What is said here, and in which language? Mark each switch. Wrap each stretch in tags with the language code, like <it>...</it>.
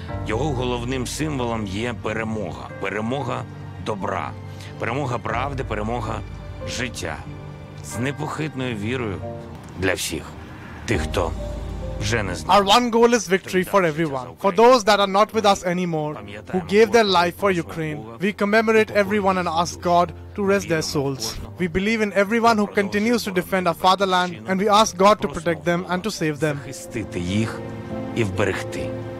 <uk>Головним символом є перемога. Перемога добра. Перемога правди, перемога життя. З непохитною вірою для всіх тих, хто вже не знає.</uk> <en>Our one goal is victory for everyone. For those that are not with us anymore, who gave their life for Ukraine, we commemorate everyone and ask God to rest their souls. We believe in everyone who continues to defend our fatherland and we ask God to protect them and to save them.</en> <uk>Захистити їх і вберегти.</uk>